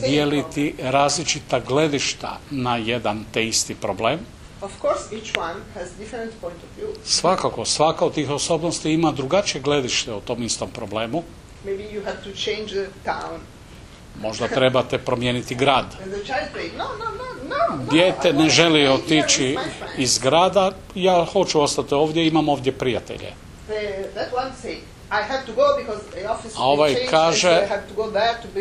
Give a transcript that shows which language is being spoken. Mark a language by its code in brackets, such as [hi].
[hr] dijeliti [en] problem. [hr] Različita gledišta na jedan te isti problem. [en] Of course, each one has different point of view. [hr] Svakako, svaka od tih osobnosti ima drugačije gledište o tom istom problemu. [en] Maybe you have to change the town. [hr] Možda trebate promijeniti grad. [en] And the child say, no. [hr] Dijete ne želi otići iz grada, ja hoću ostati ovdje, imam ovdje prijatelje. [en] That one say, I have to go because the office. [hr] A ovaj kaže, [en] so I have to go there to be